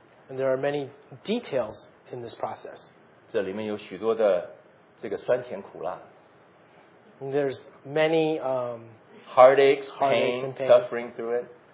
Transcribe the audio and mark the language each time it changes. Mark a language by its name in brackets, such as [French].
[English] And there are many details in this process. [Chinese] 这里面有许多的这个酸甜苦辣。 [English] There's many heartaches, pain, suffering through it.